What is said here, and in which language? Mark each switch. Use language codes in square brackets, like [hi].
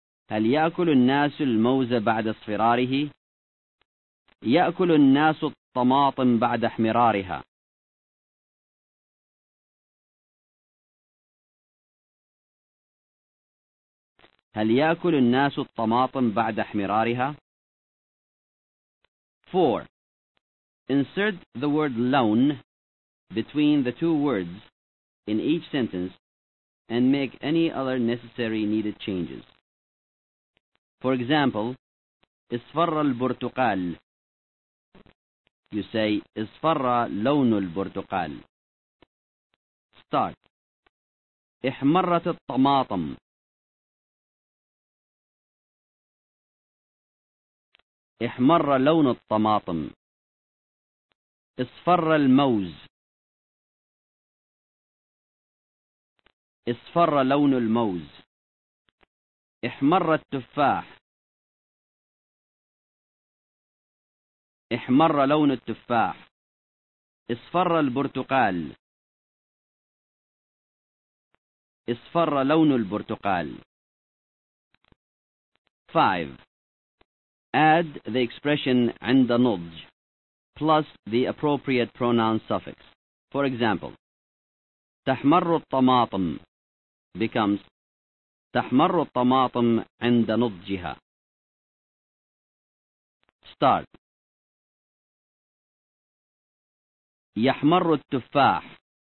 [ar] هل يأكل الناس الموز بعد اصفراره؟ يأكل الناس الطماطم بعد احمرارها. هل يأكل الناس الطماطم بعد احمرارها؟ 4. [en] Insert the word لون between the two words in each sentence and make any other necessary needed changes. For example, [ar] اصفر البرتقال. [en] You say [ar] اصفر لون البرتقال. Start. احمرت الطماطم. احمر لون الطماطم. اصفر الموز. اصفر لون الموز. احمر التفاح. احمر لون التفاح. اصفر البرتقال. اصفر لون البرتقال. [en] 5. Add the expression عند نضج plus the appropriate pronoun suffix. For example, [ar] تحمر الطماطم [en] becomes [ar] تحمر الطماطم عند نضجها. [en] Start. [ar] يحمر التفاح.